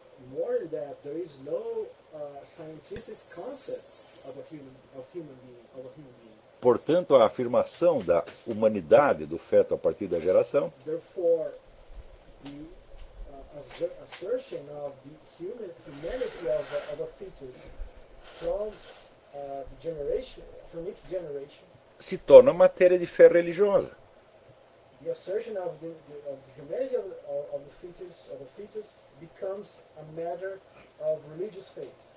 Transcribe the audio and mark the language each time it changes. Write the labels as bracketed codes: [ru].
[en] More than that, there is no scientific concept of a human being. [pt] Portanto, a afirmação da humanidade do feto a partir da geração. [en] Therefore, the assertion of the humanity of a fetus from the generation, from its generation, [pt] se torna matéria de fé religiosa. [en] The assertion of the humanity of the fetus becomes a matter of religious faith.